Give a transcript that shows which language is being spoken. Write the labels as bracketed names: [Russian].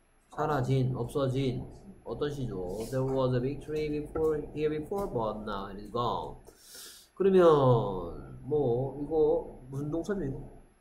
[Korean] 사라진, 없어진 어떤 시죠? [English] There was a big tree before here before, but now it is gone. [Korean] 그러면 뭐 이거 무슨 동사죠 이거?